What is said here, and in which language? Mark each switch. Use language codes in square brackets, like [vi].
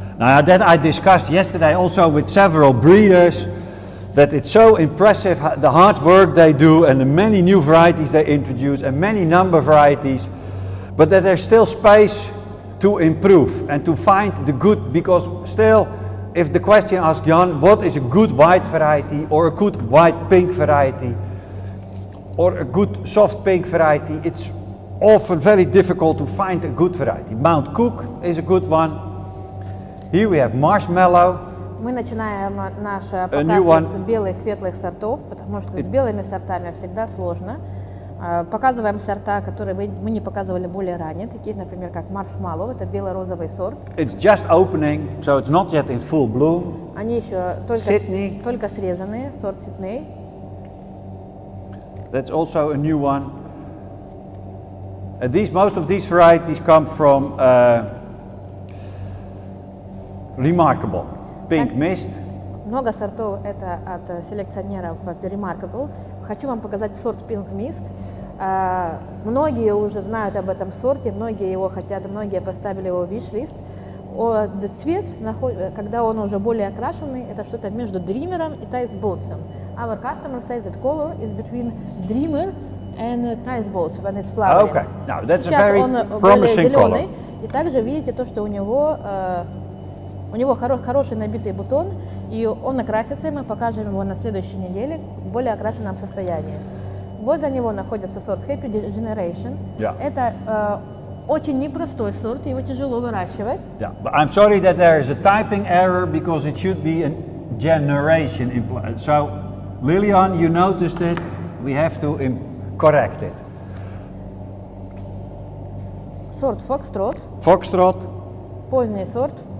[en] Now that I discussed yesterday also with several breeders, that it's so impressive the hard work they do and the many new varieties they introduce and many number varieties, but that there's still space to improve and to find the good, because still, if the question asks Jan, what is a good white variety or a good white pink variety or a good soft pink variety, it's often very difficult to find a good variety. Mount Cook is a good one. Here we have Marshmallow. [ru] Мы начинаем наш показ с белых светлых сортов, потому что с белыми сортами всегда сложно. Показываем сорта, которые мы не показывали более ранее, такие, например, как Marshmallow, это бело-розовый сорт. [en] It's just opening, so it's not yet in full bloom. [ru] Они еще только срезанные, сорт Sydney. [en] That's also a new one. Most of these varieties come from Remarkable. Pink Mist. [ru] Много сортов это от селекционеров Remarkable. Хочу вам показать сорт Pink Mist. Многие уже знают об этом сорте, многие его хотят, многие поставили его в виш-лист. Цвет, когда он уже более окрашенный, это что-то между Dreamer'ом и Tice Boats'ом. [en] Our customer says that color is between Dreamer and Tice Boats when it's flowering. Okay, now that's a very promising color. [ru] И также видите то, что у него хороший набитый бутон, и он окрасится, и мы покажем его на следующей неделе в более окрашенном состоянии. Возле него находится сорт Happy Generation. [en] Yeah. [ru] Это очень непростой сорт, его тяжело выращивать. [en] Yeah. But I'm sorry that there is a typing error, because it should be a generation. So, Lillian, you noticed it, we have to correct it. [ru] Сорт Foxtrot. Foxtrot. Поздний сорт.